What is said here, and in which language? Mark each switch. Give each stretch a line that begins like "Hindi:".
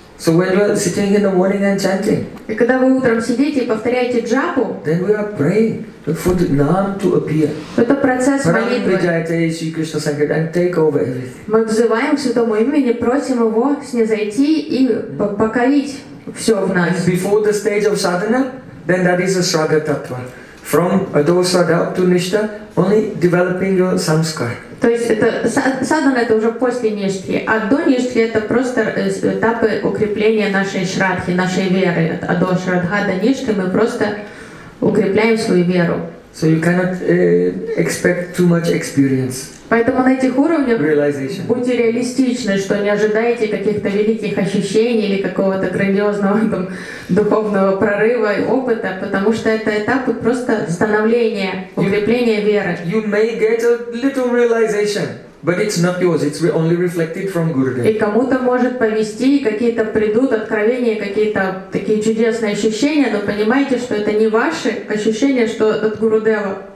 English: So when we are sitting in the morning and chanting,
Russian: и когда вы утром сидите и повторяете джапу,
English: then we are praying for the Nam to appear.
Russian: Это процесс молитвы.
English: And take over everything.
Russian: Мы взываем к Святому имени, просим его снизойти и покорить все в нас.
English: And before the stage of sadhana, then that is a sraga tattva. From adosa to nishta, only developing your samskar.
Russian: То есть это садхана это уже после ништхи, а до ништхи это просто этапы укрепления нашей шрадхи, нашей веры. А до шрадха, до ништхи мы просто укрепляем свою веру.
English: So you cannot expect too much experience.
Russian: Поэтому на этих уровнях будьте реалистичны, что не ожидайте каких-то великих ощущений или какого-то грандиозного там, духовного прорыва и опыта, потому что это этап просто становления, укрепления веры.
English: You may get a little realization, but it's not yours, it's only reflected from Gurudev.
Russian: И кому-то может повести, какие-то придут откровения, какие-то такие чудесные ощущения, но понимаете, что это не ваши ощущения, что от Гурудева.